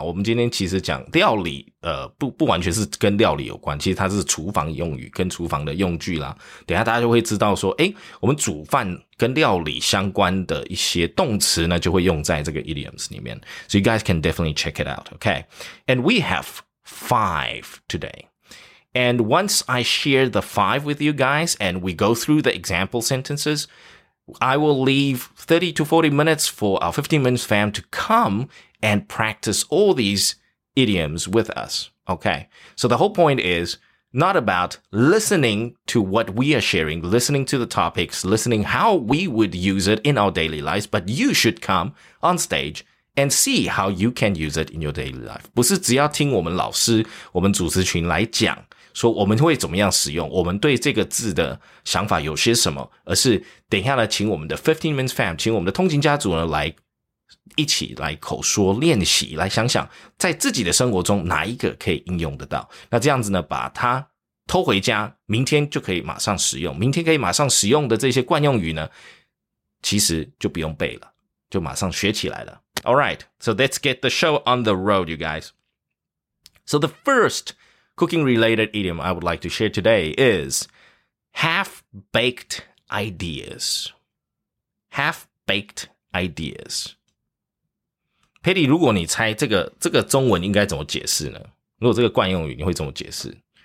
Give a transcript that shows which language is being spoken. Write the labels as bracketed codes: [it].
[zh] 我们今天其实讲料理，不完全是跟料理有关，其实它是厨房用语跟厨房的用具啦。等一下大家就会知道说，诶，我们煮饭跟料理相关的一些动词呢，就会用在这个 idioms 里面。 [en] So you guys can definitely check it out, okay? And we have 5 today. And once I share the 5 with you guys and we go through the example sentences, I will leave 30 to 40 minutes for our 15 minutes fam to come and practice all these idioms with us, okay? So the whole point is not about listening to what we are sharing, listening to the topics, listening how we would use it in our daily lives, but you should come on stage and see how you can use it in your daily life. [zh] 不是只要听我们老师，我们主持群来讲，说我们会怎么样使用，我们对这个字的想法有些什么，而是等一下呢，请我们的 15 Minutes Fam, 请我们的通勤家族呢来一起来口说练习，来想想在自己的生活中哪一个可以应用得到。那这样子呢，把它偷回家，明天就可以马上使用。明天可以马上使用的这些惯用语呢，其实就不用背了，就马上学起来了。 [en] All right, so let's get the show on the road, you guys. So the first cooking-related idiom I would like to share today is half-baked ideas. Half-baked ideas. [zh] 佩蒂，如果你猜这个中文应该怎么解释呢？如果这个惯用语，你会怎么解释？